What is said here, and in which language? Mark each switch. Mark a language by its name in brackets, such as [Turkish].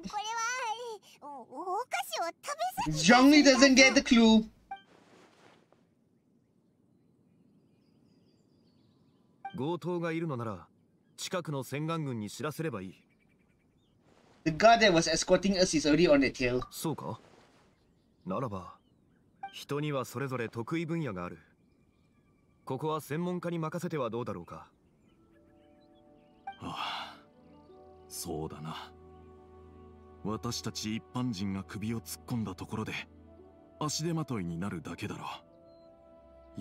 [Japanese] これはお菓子を食べさせ。 [English] Johnny doesn't get the clue. [Japanese] 強盗がいるのなら。近くの戦艦群に知らせればいい。 [English] The guy that was escorting us is already on the tail. [Japanese] そうか。ならば、人にはそれぞれ得意分野がある。ここは専門家に任せてはどうだろうか。ああ、そうだな。私たち一般人が首を突っ込んだところで、足手まといになるだけだろう。